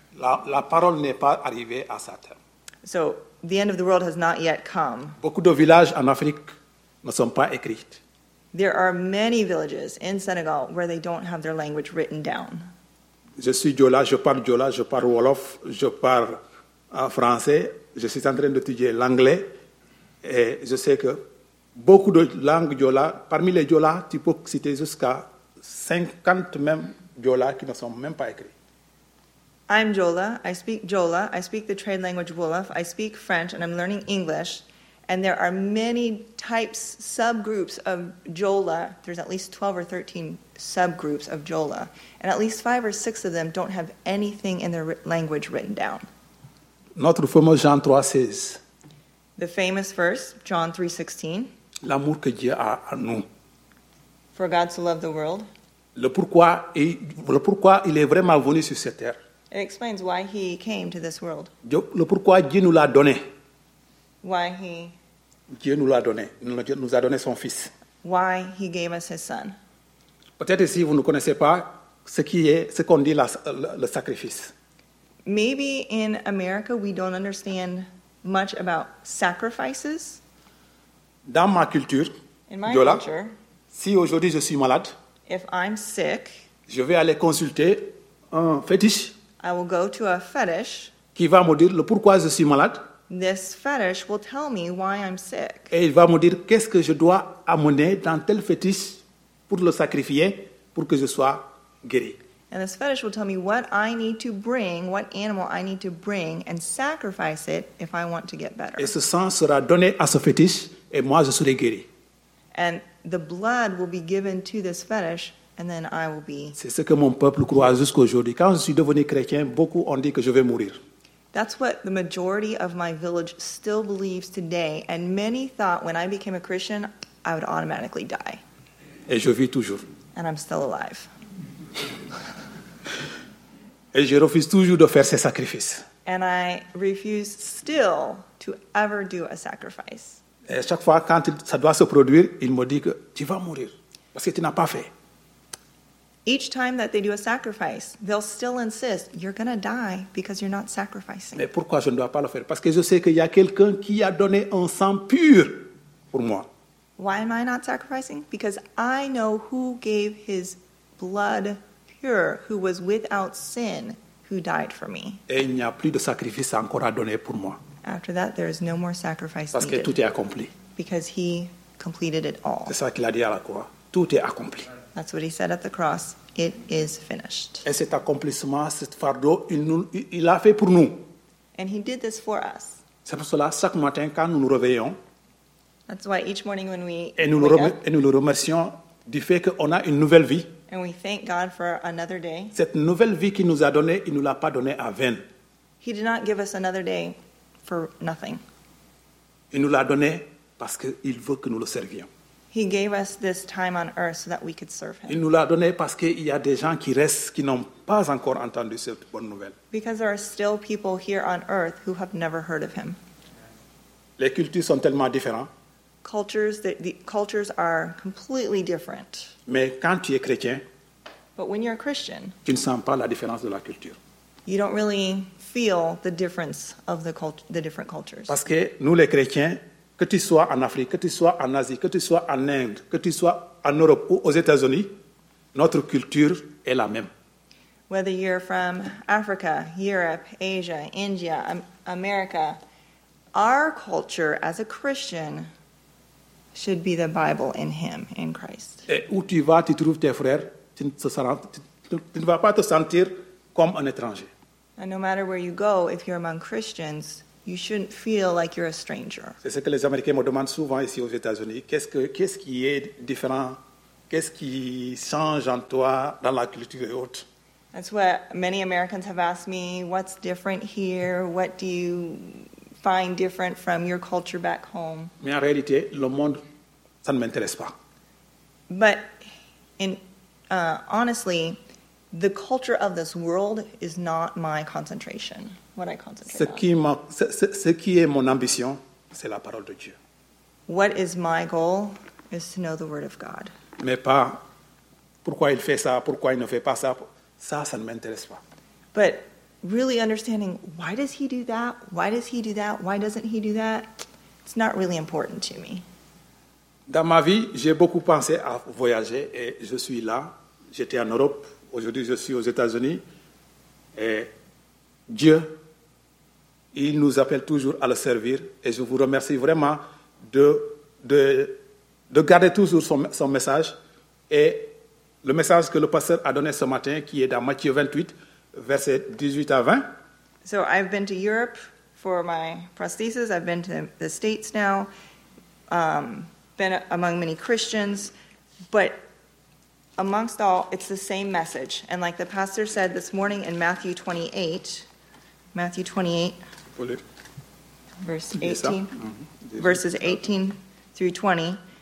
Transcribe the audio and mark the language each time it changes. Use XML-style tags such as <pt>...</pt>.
<fr>La parole n'est pas arrivée à sa terme.</fr> <en>So, the end of the world has not yet come.</en> <fr>Beaucoup de villages en Afrique ne sont pas écrits.</fr> <en>There are many villages in Senegal where they don't have their language written down.</en> <fr>Je suis Diola, je parle Diola, je parle Wolof, je parle français, je suis en train d'étudier l'anglais et je sais que beaucoup de langues Diola, parmi les Diola, tu peux citer jusqu'à 50 même Diola qui ne sont même pas écrits.</fr> <en>I'm Diola, I speak Diola, I speak the trade language Wolof, I speak French and I'm learning English. And there are many types, subgroups of Diola. There's at least 12 or 13 subgroups of Diola. And at least 5 or 6 of them don't have anything in their language written down.</en> <fr>Notre fameux Jean 3:16.</fr> <en>The famous verse, John 3:16.</en> <fr>L'amour que Dieu a à nous.</fr> <en>For God so loved the world.</en> <fr>le pourquoi il est vraiment venu sur cette terre.</fr> <en>It explains why he came to this world.</en> <fr>Le pourquoi Dieu nous l'a donné.</fr> <en>Why he</en> <fr>Dieu nous l'a donné. Dieu nous a donné son fils.</fr> <en>Why he gave us his son.</en> <fr>Peut-être si vous ne connaissez pas ce qui est ce qu'on dit le sacrifice.</fr> <en>Maybe in America we don't understand much about sacrifices.</en> <fr>Dans ma culture,</fr> <en>in my Yola, culture,</en> <fr>si aujourd'hui je suis malade,</fr> <en>if I'm sick,</en> <fr>je vais aller consulter un fétiche.</fr> <en>I will go to a fetish.</en> <fr>Qui va me dire le pourquoi je suis malade?</fr> <en>This fetish will tell me why I'm sick.</en> <fr>Et il va me dire qu'est-ce que je dois amener dans tel fétiche pour le sacrifier pour que je sois guéri.</fr> <en>And this fetish will tell me what I need to bring, what animal I need to bring and sacrifice it if I want to get better.</en> <fr>Et ce sang sera donné à ce fétiche et moi je serai guéri.</fr> <en>And the blood will be given to this fetish and then I will be.</en> <fr>C'est ce que mon peuple croit jusqu'à aujourd'hui. Quand je suis devenu chrétien, beaucoup ont dit que je vais mourir.</fr> <en>That's what the majority of my village still believes today, and many thought when I became a Christian, I would automatically die.</en> <fr>Et je vis toujours.</fr> <en>And I'm still alive.</en> <fr>Et je refuse toujours de faire ces sacrifices.</fr> <en>And I refuse still to ever do a sacrifice.</en> <fr>Et chaque fois quand ça doit se produire, il me dit que tu vas mourir parce que tu n'as pas fait.</fr> <en>Each time that they do a sacrifice, they'll still insist, you're going to die because you're not sacrificing.</en> <fr>Mais pourquoi je ne dois pas le faire? Parce que je sais qu'il y a quelqu'un qui a donné un sang pur pour moi.</fr> <en>Why am I not sacrificing? Because I know who gave his blood pure, who was without sin, who died for me.</en> <fr>Et il n'y a plus de sacrifice encore à donner pour moi.</fr> <en>After that, there is no more sacrifice</en> <fr>Parce</fr> <en>needed.</en> <fr>Parce que tout est accompli.</fr> <en>Because he completed it all.</en> <fr>C'est ça qu'il a dit à la croix. Tout est accompli.</fr> <en>That's what he said at the cross. It is finished.</en> <fr>Et cet accomplissement, cet fardeau, il l'a fait pour nous.</fr> <en>And he did this for us.</en> <fr>C'est pour cela, chaque matin, quand nous nous réveillons,</fr> <en>that's why each morning when we</en> <fr>et nous le remercions du fait qu'on a une nouvelle vie.</fr> <en>And we thank God for another day.</en> <fr>Cette nouvelle vie qu'il nous a donnée, il ne nous l'a pas donnée à vain.</fr> <en>He did not give us another day for nothing.</en> <fr>Il nous l'a donnée parce qu'il veut que nous le servions.</fr> <en>He gave us this time on earth so that we could serve him.</en> <fr>Il nous l'a donné parce qu'il y a des gens qui restent qui n'ont pas encore entendu cette bonne nouvelle.</fr> <en>Because there are still people here on earth who have never heard of him.</en> <fr>Les cultures sont tellement différentes.</fr> <en>Cultures, the cultures are completely different.</en> <fr>Mais quand tu es chrétien,</fr> <en>but when you're a Christian,</en> <fr>tu ne sens pas la différence de la culture.</fr> <en>You don't really feel the difference of the different cultures.</en> <fr>Parce que nous les chrétiens, que tu sois en Afrique, que tu sois en Asie, que tu sois en Inde, que tu sois en Europe ou aux États-Unis, notre culture est la même.</fr> <en>Whether you're from Africa, Europe, Asia, India, America, our culture as a Christian should be the Bible in him, in Christ.</en> <fr>Et où tu vas, tu trouves tes frères, tu ne vas pas te sentir comme un étranger.</fr> <en>And no matter where you go, if you're among Christians, you shouldn't feel like you're a stranger.</en> <fr>C'est ce que les Américains me demandent souvent ici aux États-Unis. Qu'est-ce qui est différent? Qu'est-ce qui change en toi dans la culture et autres?</fr> <en>That's what many Americans have asked me. What's different here? What do you find different from your culture back home?</en> <fr>Mais en réalité, le monde, ça ne m'intéresse pas.</fr> <en>But honestly, the culture of this world is not my concentration. What I concentrate</en> <fr>ce qui</fr> <en>on.</en> <fr>Ce qui est mon ambition, c'est la parole de Dieu.</fr> <en>What is my goal is to know the word of God.</en> <fr>Mais pas pourquoi il fait ça, pourquoi il ne fait pas ça. Ça ne m'intéresse pas.</fr> <en>But really understanding why does he do that? Why does he do that? Why doesn't he do that? It's not really important to me.</en> <fr>Dans ma vie, j'ai beaucoup pensé à voyager et je suis là. J'étais en Europe. Aujourd'hui, je suis aux États-Unis. Et Dieu, il nous appelle toujours à le servir et je vous remercie vraiment de garder toujours son message et le message que le pasteur a donné ce matin qui est dans Matthieu 28, versets 18 à 20.</fr> <en>So I've been to Europe for my prosthesis, I've been to the States now, been among many Christians, but amongst all, it's the same message. And like the pastor said this morning in Matthew 28, verses 18 through 20.</en>